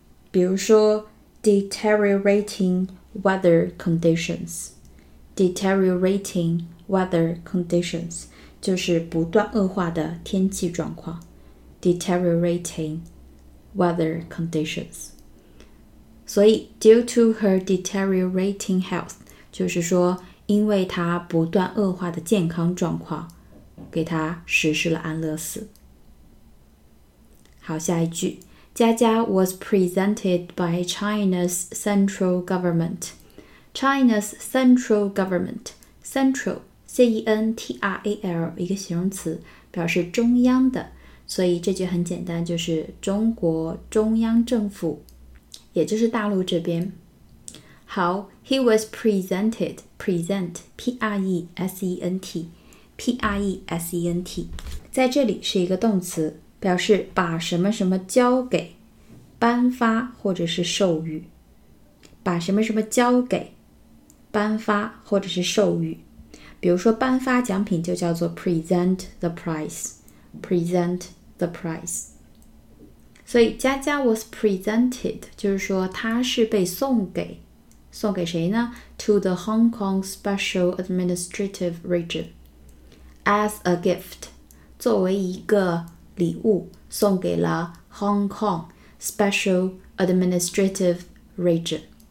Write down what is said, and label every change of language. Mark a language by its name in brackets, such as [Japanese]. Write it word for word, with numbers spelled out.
[Chinese] 比如说 [English] deteriorating weather conditions deteriorating weather conditions [Chinese] 就是不断恶化的天气状况 [English] deteriorating weather conditions [Chinese] 所以 [English] due to her deteriorating health [Chinese] 就是说因为她不断恶化的健康状况给他实施了安乐死。好，下一句， [English] 佳佳 was presented by China's central government. China's central government. [Chinese] Central, C E N T R A L, 一个形容词，表示中央的，所以这句很简单，就是中国中央政府，也就是大陆这边。 [English] 好 ，He was presented. Present, P R E S E N T. [Chinese] P R E S E N T 在这里是一个动词，表示把什么什么交给，颁发或者是授予，把什么什么交给，颁发或者是授予。比如说颁发奖品就叫做 [English] present the prize present the prize [Chinese] 所以 [English] 佳佳 was presented [Chinese] 就是说她是被送给送给谁呢 [English] to the Hong Kong Special Administrative Region as a gift [Chinese] 作为一个礼物送给了 [English] Hong Kong Special Administrative Region